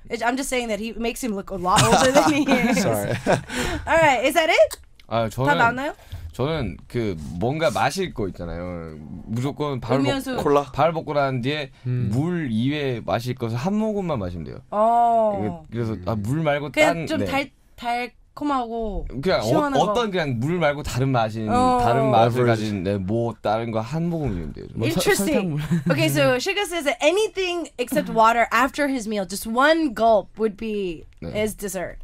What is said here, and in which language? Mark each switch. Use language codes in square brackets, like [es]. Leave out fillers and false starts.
[en] I'm just saying that he makes him look a lot older than he is. Sorry. All right. Is that it? [ko] 아 저는 다 나왔나요? 저는 그 뭔가 마실 거 있잖아요. 무조건 바로 음료수. 콜라. 바로 먹고 난 뒤에 물 이외에 마실 것을 한 모금만 마시면 돼요. 그래서 아, 물 말고 그냥 좀 달콤하고 그냥 시원한 거. 어떤 그냥 물 말고 다른 맛인 다른 맛을 가진 네, 뭐 다른 거 한 모금이면 돼요. [en] Interesting. Okay, so Sugar says that anything except water after his meal, just one gulp would be his dessert.